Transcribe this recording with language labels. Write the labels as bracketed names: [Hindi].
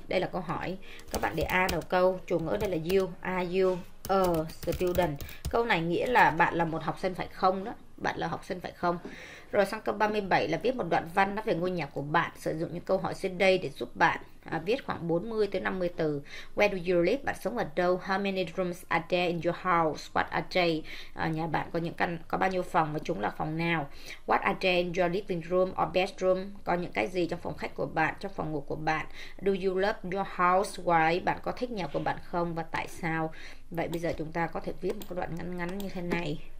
[Vietnamese] Đây là câu hỏi. Các bạn để A đầu câu. Chủ ngữ đây là you. [English] Are you a student? [Vietnamese] Câu này nghĩa là bạn là một học sinh phải không đó. Bạn là học sinh phải không? Rồi sang câu 37 là viết một đoạn văn nói về ngôi nhà của bạn. Sử dụng những câu hỏi dưới đây để giúp bạn viết khoảng 40-50 từ. [English] Where do you live? [Vietnamese] Bạn sống ở đâu? [English] How many rooms are there in your house? What are they? [Vietnamese] Nhà bạn có những căn có bao nhiêu phòng và chúng là phòng nào? [English] What are they in your living room or bedroom? [Vietnamese] Có những cái gì trong phòng khách của bạn, trong phòng ngủ của bạn? [English] Do you love your house? Why? [Vietnamese] Bạn có thích nhà của bạn không và tại sao? Vậy bây giờ chúng ta có thể viết một đoạn ngắn ngắn như thế này.